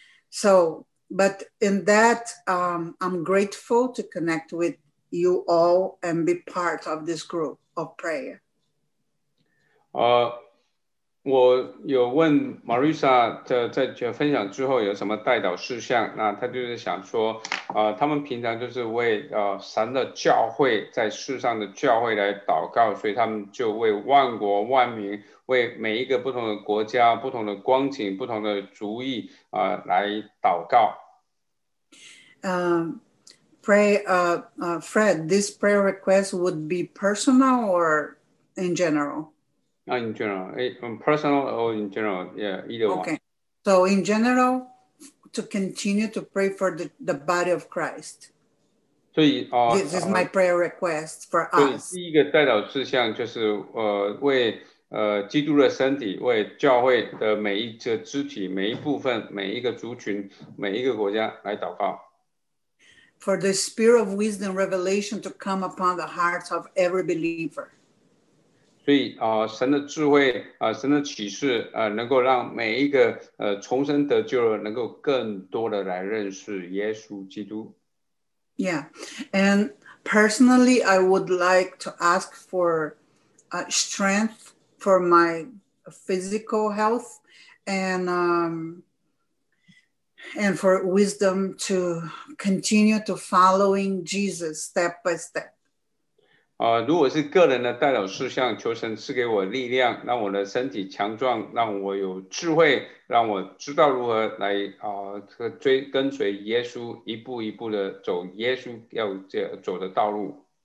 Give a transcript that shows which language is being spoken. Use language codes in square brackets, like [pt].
[en] So, but in that, I'm grateful to connect with you all and be part of this group of prayer. [zh] 我有问 Marisa 在分享之后有什么代祷事项，那她就是想说他们平常就是为神的教会在世上的教会来祷告，所以他们就为万国万民，为每一个不同的国家，不同的光景，不同的族裔来祷告。 [en] Fred, this prayer request would be personal or in general? In general, personal or in general, yeah, either one. Okay, so in general, to continue to pray for the body of Christ. So, this is my prayer request for us. [zh] 第一个代祷事项就是为基督的身体，为教会的每一个肢体、每一部分、每一个族群、每一个国家来祷告。 [en] For the spirit of wisdom revelation to come upon the hearts of every believer. [zh] 所以神的智慧神的启示能够让每一个重生得救了能够更多的来认识耶稣基督。 [en] Yeah, and personally, I would like to ask for strength for my physical health and for wisdom to continue to following Jesus step by step. [zh] 如果是个人的代祷事项，求神赐给我力量，让我的身体强壮，让我有智慧，让我知道如何来跟随耶稣，一步一步的走耶稣要走的道路。